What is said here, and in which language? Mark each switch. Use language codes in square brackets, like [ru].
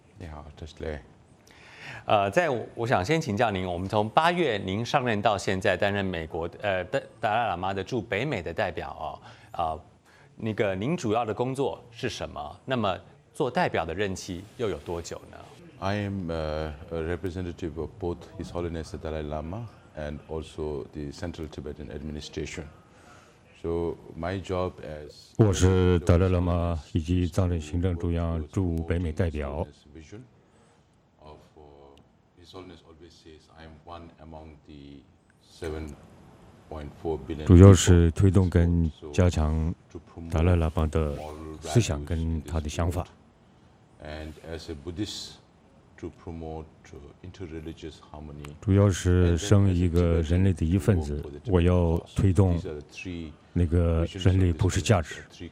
[zh] 你好，这是雷。在我想先请教您，我们从八月您上任到现在担任美国达赖喇嘛的驻北美的代表哦，那个您主要的工作是什么？那么做代表的任期又有多久呢？ [en] I am a representative of both His Holiness the Dalai Lama and also the Central Tibetan Administration. So my job as [zh] 我是达赖喇嘛以及藏人行政中央驻北美代表。主要是推动跟加强达赖喇嘛的思想跟他的想法。 [en] And as a Buddhist. To promote interreligious harmony. [zh] 主要是身为一个人类的一份子，我要推动那个人类普世价值。